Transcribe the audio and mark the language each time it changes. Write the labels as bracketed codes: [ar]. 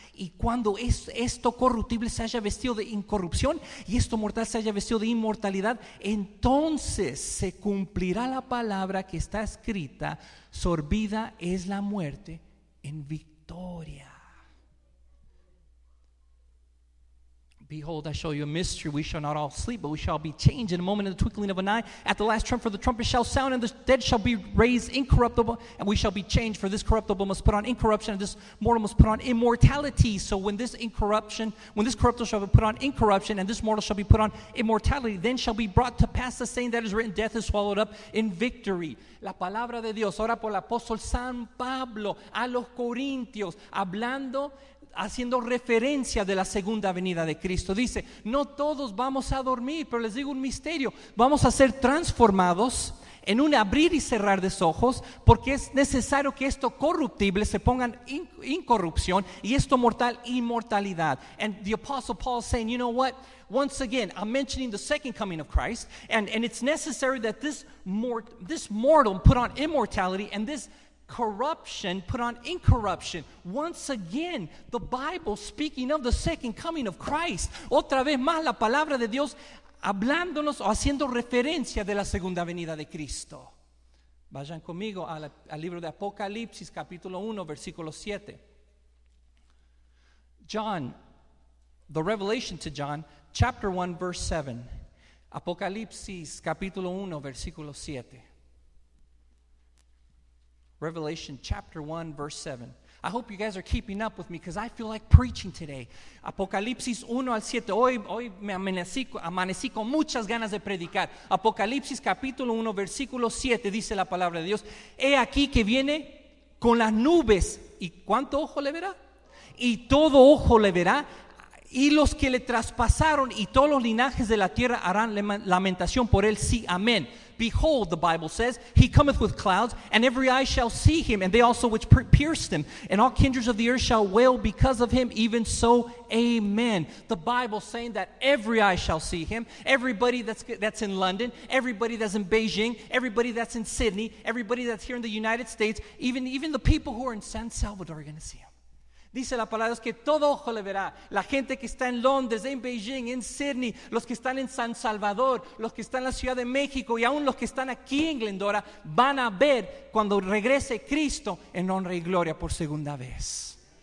[es] Y cuando esto corruptible se haya vestido de incorrupción y esto mortal se haya vestido de inmortalidad, entonces se cumplirá la palabra que está escrita: sorbida es la muerte en victoria. [en] Behold, I show you a mystery. We shall not all sleep, but we shall be changed in a moment, in the twinkling of an eye, at the last trumpet. For the trumpet shall sound, and the dead shall be raised incorruptible, and we shall be changed. For this corruptible must put on incorruption, and this mortal must put on immortality. So when this corruptible shall be put on incorruption, and this mortal shall be put on immortality, then shall be brought to pass the saying that is written, death is swallowed up in victory. [es] La palabra de Dios, ora por el apóstol San Pablo, a los Corintios, hablando, haciendo referencia de la segunda venida de Cristo. Dice: no todos vamos a dormir, pero les digo un misterio: vamos a ser transformados en un abrir y cerrar de ojos, porque es necesario que esto corruptible se ponga en incorrupción y esto mortal, inmortalidad. [en] And the apostle Paul saying, you know what, once again I'm mentioning the second coming of Christ, and it's necessary that this mortal put on immortality, and this corruption put on incorruption. Once again, the Bible speaking of the second coming of Christ. [es] Otra vez más la palabra de Dios hablándonos o haciendo referencia de la segunda venida de Cristo. Vayan conmigo al libro de Apocalipsis, capítulo 1, versículo 7. [en] John, the revelation to John, chapter 1, verse 7. [es] Apocalipsis, capítulo 1, versículo 7. [en] Revelation chapter 1, verse 7. I hope you guys are keeping up with me because I feel like preaching today. [es] Apocalipsis 1 al 7. Hoy me amanecí con muchas ganas de predicar. Apocalipsis capítulo 1, versículo 7, dice la palabra de Dios. He aquí que viene con las nubes. ¿Y cuánto ojo le verá? Y todo ojo le verá. Y los que le traspasaron y todos los linajes de la tierra harán lamentación por él. Sí, amén. [en] Behold, the Bible says, he cometh with clouds, and every eye shall see him, and they also which pierced him, and all kindreds of the earth shall wail because of him. Even so, amen. The Bible saying that every eye shall see him. Everybody that's in London, everybody that's in Beijing, everybody that's in Sydney, everybody that's here in the United States, even the people who are in San Salvador are going to see him. [es] Dice la palabra de Dios que todo ojo le verá. La gente que está en Londres, en Beijing, en Sydney, los que están en San Salvador, los que están en la Ciudad de México y aún los que están aquí en Glendora van a ver cuando regrese Cristo en honra y gloria por segunda vez.